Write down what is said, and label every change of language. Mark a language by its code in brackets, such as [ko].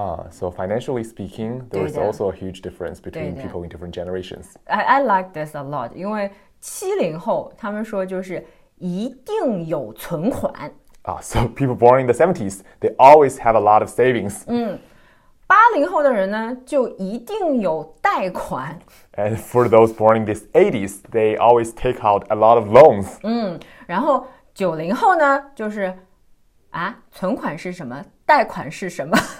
[en] So financially speaking, there is also a huge difference between people in different generations. I like this a lot, [zh] 因为70后他们说就是一定有存款。 [en] So people born in the 70s, they always have a lot of savings. [zh] 80后的人呢就一定有贷款。 [en] And for those born in the 80s, they always take out a lot of loans. [zh] 然后90后呢就是啊存款是什么贷款是什么